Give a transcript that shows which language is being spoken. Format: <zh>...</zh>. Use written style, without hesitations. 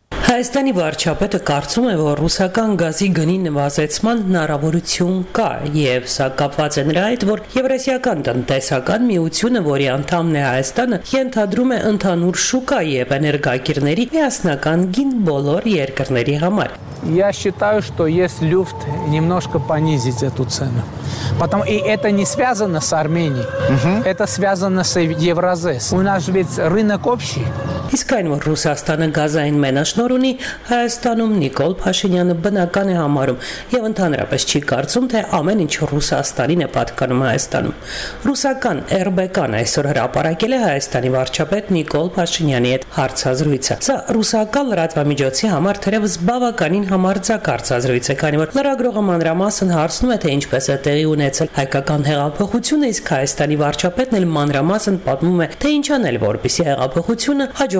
<hy>Հայաստանի վարչապետը կարծում է, որ ռուսական գազի գնի նվազեցման հնարավորություն կա, և սա կապված է նրա հետ, որ Եվրասիական տնտեսական միությունը, որի անդամն է Հայաստանը, ենթադրում է ընդհանուր շուկա և էներգակիրների միասնական գին բոլոր երկրների համար։</hy> <ru>Я считаю, что есть люфт немножко понизить эту цену. Потому, и это не связано с Арменией, это связано с Евразес. У нас ведь рынок общий.</ru> <hy>Իսկ այն, որ Ռուսաստանը գազային մենաշնոր ունի, Հայաստանում Նիկոլ Փաշինյանը բնական է համարում և ընդհանրապես չի կարծում, թե ամեն ինչ Ռուսաստանին է պատկանում Հայաստանում։ Ռուսական RBK-ն այսօր հրապարակել է Հայաստանի վարչապետ Նիկոլ Փաշինյանի հետ հարցազրույցը։ Սա ռուսական լրատվամիջոցի համար թերևս բավականին համարձակ հարցազրույց է, քանի որ լրագրողը մանրամասն հարցնում է, թե ինչպես է տեղի ունեցել հայկական հեղափոխությունը, իսկ Հայաստանի վարչապետն էլ մանրամասն պատմում է, թե ինչ անել, որպեսզի հեղափոխությունը հաջող</hy>